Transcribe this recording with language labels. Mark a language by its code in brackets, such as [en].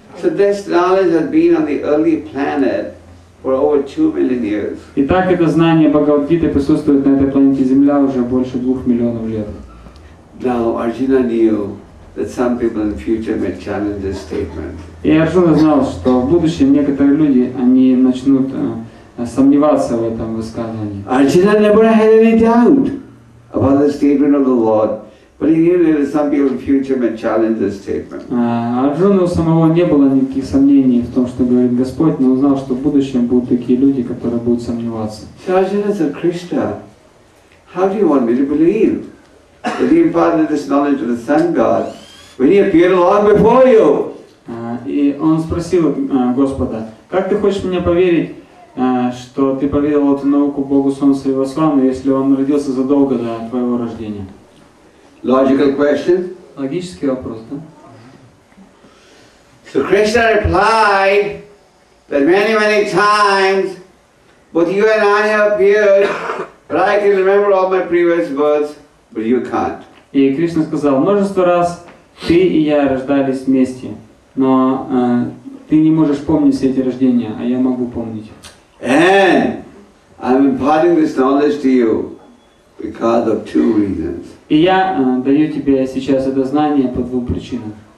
[en] So this knowledge has been on the early planet for over 2 million years. [ru] Итак, это знание Бхагавад-гиты присутствует на этой планете Земля уже больше 2 миллионов лет. [en] Now Arjuna knew that some people in the future may challenge this statement. [ru] И Арджуна знал, что в будущем некоторые люди они начнут сомневаться в этом высказывании. [en] Arjuna never had any doubt about the statement of the Lord. But he knew that some people in the future may challenge this statement. [ru] Арджуна у самого не было никаких сомнений в том, что говорит Господь, но узнал, что в будущем будут такие люди, которые будут сомневаться. [en] So Arjuna said, Krishna, how do you want me to believe that he imparted this knowledge to the Sun God when he appeared long before you? [ru] И он спросил Господа, как ты хочешь мне поверить, что ты поверил эту науку Богу Солнца и Васвана, если он родился задолго до твоего рождения? [en] Logical question. [ru] Логический вопрос, да? [en] So Krishna replied that many, many times both you and I have appeared, but I can remember all my previous births, but you can't. [ru] И Кришна сказал, множество раз ты и я рождались вместе, но ты не можешь помнить все эти рождения, а я могу помнить. [en] And I'm imparting this knowledge to you because of 2 reasons. [ru] И я даю тебе сейчас это знание по 2 причинам.